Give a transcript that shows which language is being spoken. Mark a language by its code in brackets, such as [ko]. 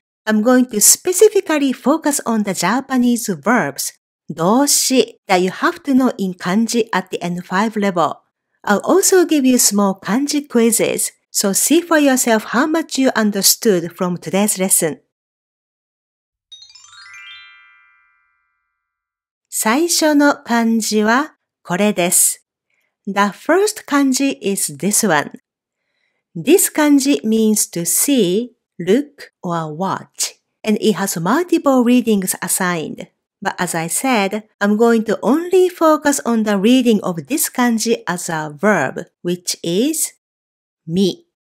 [en] I'm going to specifically focus on the Japanese verbs, 動詞 that you have to know in kanji at the N5 level. I'll also give you small kanji quizzes, so see for yourself how much you understood from today's lesson. [ja] 最初の漢字はこれです。 [en] The first kanji is this one. This kanji means to see, look, or watch, and it has multiple readings assigned. But as I said, I'm going to only focus on the reading of this kanji as a verb, which is 見.